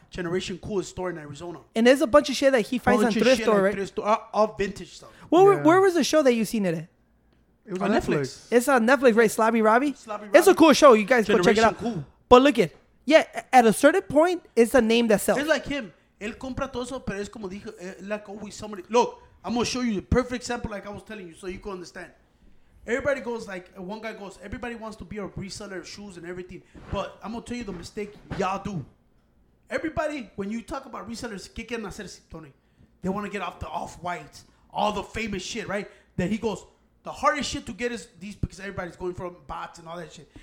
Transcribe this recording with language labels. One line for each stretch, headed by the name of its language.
English: Generation Cool store in Arizona. And there's a bunch of shit that he finds on thrift store, right? All vintage stuff. Well, yeah. Where was the show that you seen it at? It was on Netflix. It's on Netflix, right? Slobby Robbie? It's a cool show. You guys go check it out. Cool. But look it. Yeah, at a certain point, it's a name that sells. It's like him.
Spanish: El compra todo eso, pero es como dijo,
English: like always somebody. Look, I'm going to show you the perfect example like I was telling you so you can understand. Everybody goes like, one guy goes, everybody wants to be a reseller of shoes and everything. But I'm going to tell you the mistake y'all do. Everybody, when you talk about resellers,
Spanish: ¿qué quieren hacer, Tony?
English: They want to get off the off-whites, all the famous shit, right? Then he goes, the hardest shit to get is these because everybody's going for bots and all that shit.